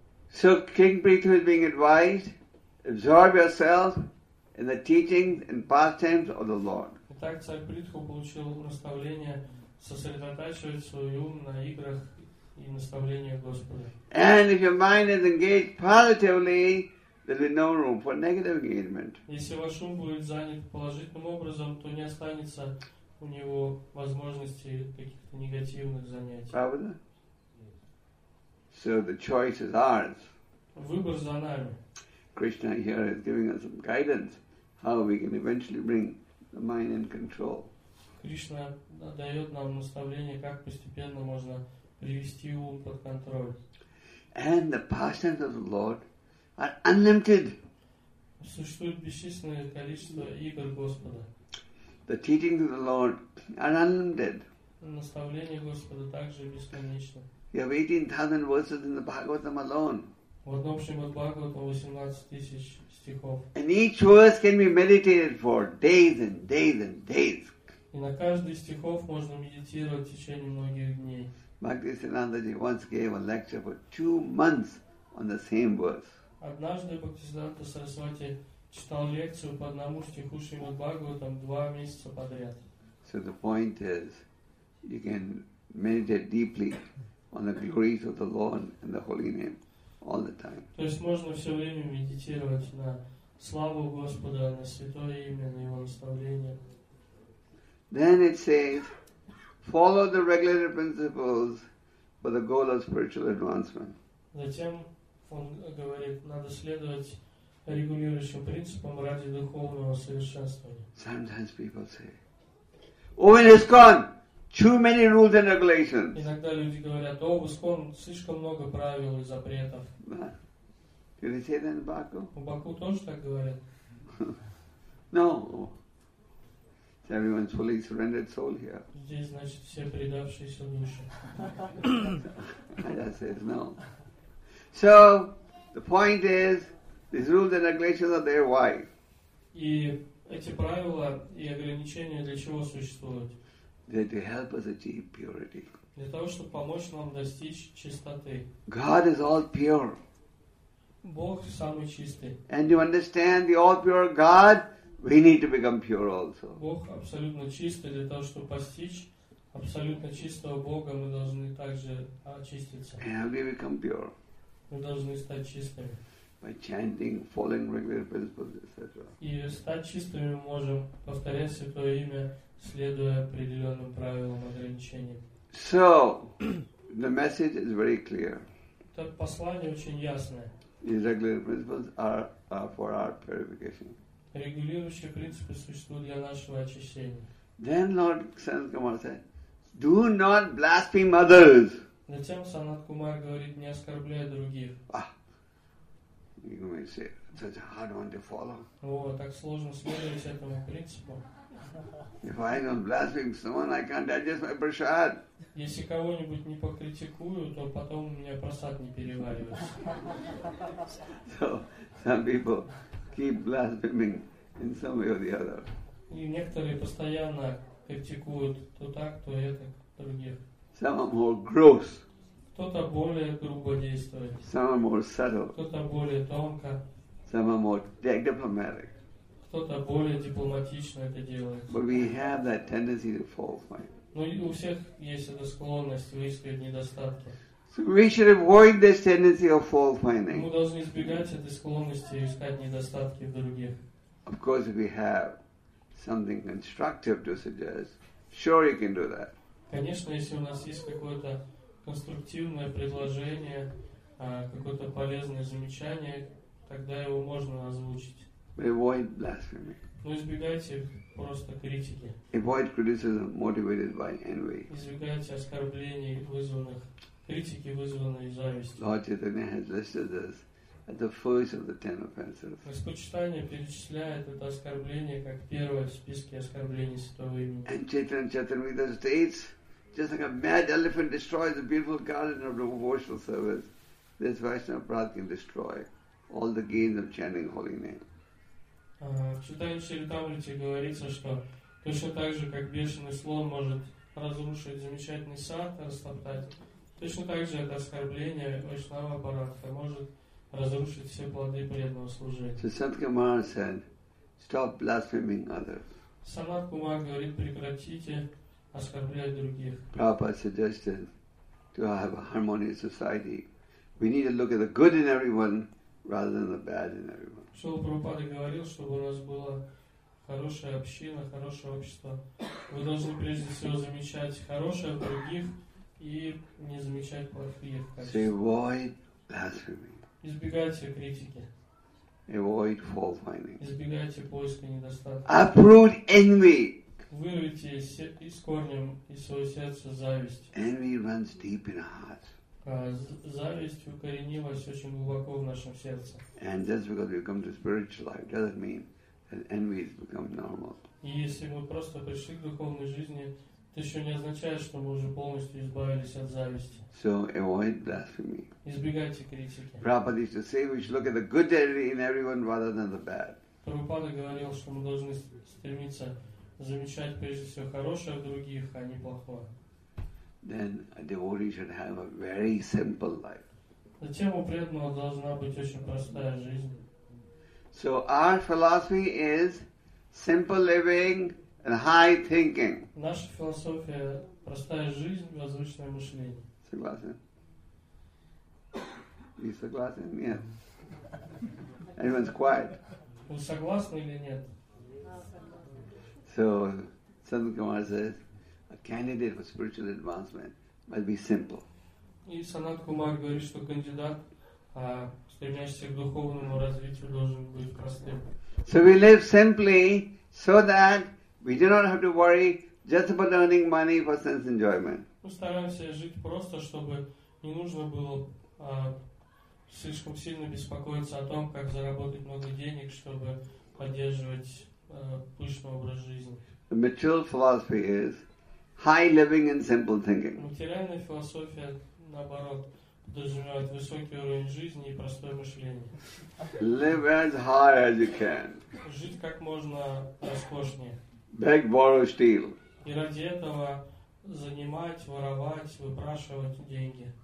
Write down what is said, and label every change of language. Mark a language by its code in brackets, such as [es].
[en] So King Prithu is being advised, absorb yourself in the teachings and pastimes of the Lord. [ru] Итак, царь Притху получил наставление сосредотачивать свой ум на играх и наставлениях Господа. [en] And if your mind is engaged positively, there will be no room for negative engagement. [ru] Если ваш ум будет занят положительным образом, то не останется у него возможности каких-то негативных занятий. Правда? [en] So the choice is ours. [ru] Выбор за нами. [en] Krishna here is giving us some guidance how we can eventually bring the mind in control. [ru] Krishna дает нам наставление, как постепенно можно привести ум под контроль. [en] And the pastimes of the Lord are unlimited. [ru] Существует бесчисленное количество игр Господа. [en] The teachings of the Lord are unlimited. [ru] Наставления Господа также бесконечны. [en] We have 18,000 verses in the Bhagavatam alone. [ru] В одном Шримад Бхагаватам 18,000 стихов. [en] And each verse can be meditated for days and days and days. [ru] И на каждый из стихов можно медитировать в течение многих дней. [en] Bhakti Siddhanta Ji once gave a lecture for 2 months on the same verse. [ru] Однажды Бхакти Сиддханта Сарасвати читал лекцию по одному стиху Шримад Бхагаватам 2 месяца подряд. [en] So the point is, you can meditate deeply on the glories of the Lord and the holy name. All the time. [ru] То есть можно все время медитировать на славу Господа, на святое имя, на Его наставление. [en] Then it says, follow the regulative principles for the goal of spiritual advancement. [ru] Затем он говорит, надо следовать регулирующим принципам ради духовного совершенствования. [en] Sometimes people say, oh, in ISKCON, too many rules and regulations. [ru] Иногда люди говорят, о, в ISKCON слишком много правил и запретов. [en] Do they say that in Baku? [ru] В Баку тоже так говорят. [en] No. So everyone's fully surrendered soul here. [ru] Здесь, значит, все предавшиеся души. [en] I just said no. So, the point is, these rules and regulations are there, why? [ru] И эти правила и ограничения для чего существуют? [en] To help us achieve purity. [ru] Для того, чтобы помочь нам достичь чистоты. [en] God is all pure. [ru] Бог самый чистый. [en] And you understand the all pure God, we need to become pure also. [ru] Бог абсолютно чистый. Для того, чтобы постичь абсолютно чистого Бога, мы должны также очиститься. [en] And we become pure. [ru] Мы должны стать чистыми. [en] By chanting, following regular principles, etc. [ru] И стать чистыми мы можем, повторяя Святое Имя, следуя определенным правилам ограничений. [en] So, the message is very clear. [ru] Так послание очень ясное. [en] These regular principles are for our purification. [ru] Регулирующие принципы существуют для нашего очищения. [en] Then Lord Sanat Kumar said, "Do not blaspheme others." [ru] Затем Санат Кумар говорит, не оскорбляй других. [en] You may say, such a hard one to follow. [ru] Oh, так сложно следовать этому принципу. [en] If I don't blaspheme someone, I can't digest my prasad. [ru] Если кого-нибудь не покритикую, то потом у меня просад не переваривается. [en] So, some people keep blaspheming in some way or the other. [ru] И некоторые постоянно критикуют то так, то это, других. [en] Some are more gross. [ru] Кто-то более грубо действует. [en] Some are more subtle. [ru] Кто-то более тонко. [en] Some are more diplomatic. [ru] Кто-то более дипломатично это делает. [en] But we have that tendency to fall fine. [ru] Но у всех есть эта склонность выискивать недостатки. [en] So we should avoid this tendency of fault finding. [ru] Мы должны избегать этой склонности искать недостатки в других. [en] Of course, if we have something constructive to suggest, sure you can do that. [ru] Конечно, если у нас есть какое-то конструктивное предложение, какое-то полезное замечание, тогда его можно озвучить. [en] Avoid blasphemy. [ru] Но избегайте просто критики. [en] Avoid criticism motivated by envy. [ru] Избегайте оскорблений, вызванных критики, вызванной завистью. [en] Lord Chaitanya has listed this as the first of the ten offenses. [ru] Господь Читания перечисляет это оскорбление как первое в списке оскорблений Святого Имени. [en] And Chaitanya Charitamrita states, just like a mad elephant destroys the beautiful garden of devotional service, this Vaishnava Prat can destroy all the gains of chanting holy name. [ru] В Читании Чаритамрите говорится, что точно так же, как бешеный слон может разрушить замечательный сад, растоптать, точно так же это оскорбление Вайшнава Бхаратха может разрушить все плоды преданного служения. [en] So Sant Kumar said, stop blaspheming others. [ru] Санат Кумар говорит, прекратите оскорблять других. [en] Prabhupada suggested to have a harmonious society. We need to look at the good in everyone rather than the bad in everyone. [ru] Шрила Прабхупада говорил, чтобы у нас была хорошая община, хорошее общество. Вы должны прежде всего замечать хорошее в других и не замечать плохие в качестве. [en] So avoid blasphemy. [ru] Избегайте критики. [en] Avoid fault finding. [ru] Избегайте поиска недостатков. [en] Uproot envy. [ru] Вырвите из корнем из своего сердца зависть. [en] Envy runs deep in our hearts. [ru] Зависть укоренилась очень глубоко в нашем сердце. [en] And just because we come to spiritual life doesn't mean that envy has become normal. [ru] И если мы просто пришли к духовной жизни, это еще не означает, что мы уже полностью избавились от зависти. [en] So avoid blasphemy. [ru] Избегайте критики. [en] Prabhupada used to say we should look at the good in everyone rather than the bad. [ru] Прабхупада говорил, что мы должны стремиться замечать прежде всего хорошее в других, а не плохое. [en] Then a devotee should have a very simple life. [ru] Затем у преданного должна быть очень простая жизнь. [en] So our philosophy is simple living and high thinking. [ru] Наша философия – простая жизнь, возвышенное мышление. Согласен? [en] You [ru] согласен? [en] Yes. Everyone's quiet. [ru] Вы согласны или нет? [en] So, Sant Kumar says, a candidate for spiritual advancement must be simple. [ru] И Санат Кумар говорит, что кандидат, стремящийся к духовному развитию, должен быть простым. [en] So we live simply, so that we do not have to worry just about earning money for sense enjoyment. [ru] Мы стараемся жить просто, чтобы не нужно было слишком сильно беспокоиться о том, как заработать много денег, чтобы поддерживать пышный образ жизни. [en] The material philosophy is high living and simple thinking. [ru] Материальная философия, наоборот, доживают высокий уровень жизни и простое мышление. [en] Live as high as you can. [ru] Жить как можно роскошнее. [en] Beg, borrow, steal. [ru] И ради этого занимать, воровать, выпрашивать деньги.